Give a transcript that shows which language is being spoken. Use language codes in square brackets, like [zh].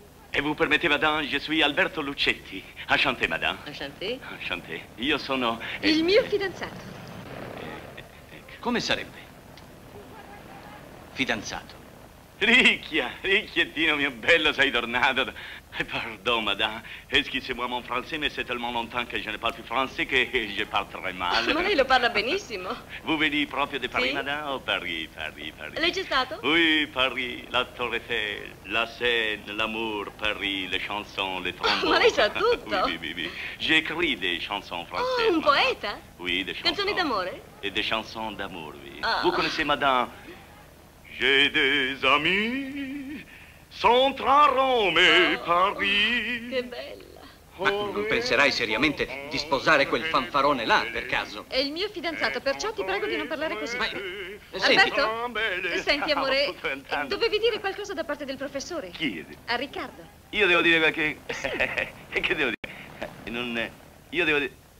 [fr] E vous permettez, madame, je suis Alberto Lucchetti. Enchanté, madame. Enchanté. Enchanté. [it] Io sono... Il mio fidanzato. Ecco. Come sarebbe? Fidanzato. Ricchia, ricchiettino mio bello, sei tornato. [fr] Pardon, madame. Est-ce que c'est moi mon français, mais c'est tellement longtemps que je ne parle plus français que je parle très mal. [it] Ma lei lo parla benissimo. [fr] Vous venez [it] proprio [fr] de Paris, madame? [it] Sì. [fr] Oh, Paris. [it] Lei c'è stato? [fr] Oui, Paris, la Torre Eiffel, la Seine, l'amour, Paris, les chansons, les trombones. [it] Ma lei sa tutto. [fr] Oui. J'écris des chansons françaises. [it] Oh, un poeta? [fr] Oui, des chansons. [it] Canzoni d'amore? [fr] Et des chansons d'amour, oui. Oh. Vous connaissez, madame? J'ai des amis, centre à Rome et Paris. [it] Che bella. Ma non penserai seriamente di sposare quel fanfarone là, per caso? È il mio fidanzato, perciò ti prego di non parlare così. Ma... Alberto? Senti, amore, dovevi dire qualcosa da parte del professore. Chi? A Riccardo. Io devo dire qualche... Sì. Che devo dire? Non... Io devo dire...